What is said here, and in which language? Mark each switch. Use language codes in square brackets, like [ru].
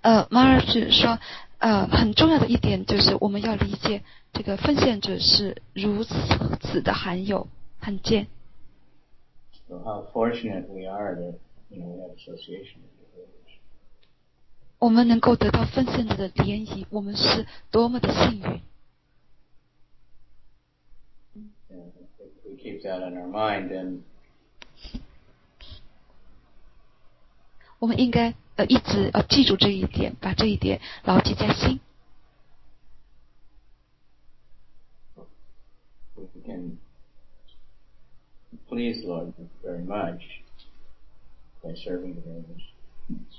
[zh] Maharaj 说，很重要的一点就是我们要理解这个奉献者是如此的罕有、罕见。 [en] So how fortunate we are that, you know, we have association. [zh] 我们能够得到奉献者的怜悯，我们是多么的幸运。 [en] We keep that in our mind, then. [zh] 我们应该一直记住这一点，把这一点牢记在心。 [en] We can please Lord very much by serving the others.